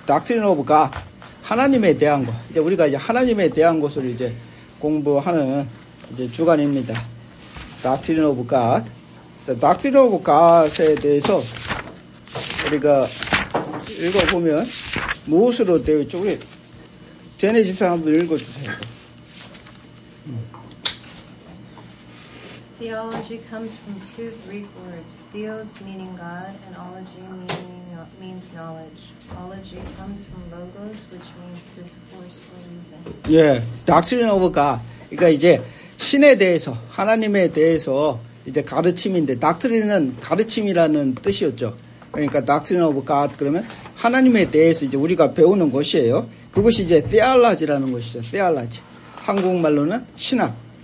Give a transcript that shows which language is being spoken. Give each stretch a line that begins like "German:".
Korean: 닥트리노 오브 갓, 하나님에 대한 것, 이제 우리가 이제 하나님에 대한 것을 이제 공부하는 이제 주간입니다. 닥트리노 오브 갓. 닥트리노 오브 갓에 대해서 우리가 읽어보면 무엇으로 되어 있죠? 우리 제네시스 한번 읽어주세요.
English: Theology comes from two Greek words, theos meaning God, and ology means knowledge. Ology comes from logos, which means discourse or reason. Yeah, doctrine of God.
Korean: 그러니까 이제 신에 대해서, 하나님에 대해서 이제 가르침인데, doctrine은 가르침이라는 뜻이었죠. 그러니까 doctrine of God 그러면 하나님에 대해서 이제 우리가 배우는 것이에요. 그것이 이제 theology라는 것이죠. theology. 한국말로는 신학.